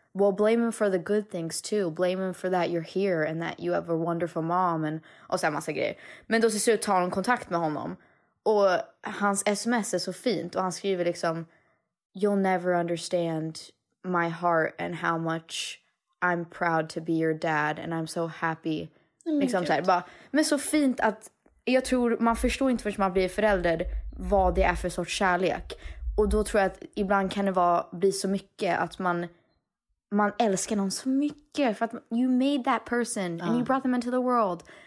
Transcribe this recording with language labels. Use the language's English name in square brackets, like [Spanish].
[English] Well, blame him for the good things too. Blame him for that you're here and that you have a wonderful mom. [Swedish] Och så en massa grejer. Men då ser det ut att ta någon kontakt med honom. Och hans sms är så fint. Och han skriver liksom... [English] You'll never understand my heart and how much I'm proud to be your dad. And I'm so happy. [Swedish] Mm, liksom så här, bara, men så fint att... Jag tror man förstår inte förrän man blir förälder vad det är för sorts kärlek. Och då tror jag att ibland kan det bli så mycket att man... Man älskar någon så mycket för att [English] you made that person and you brought them into the world.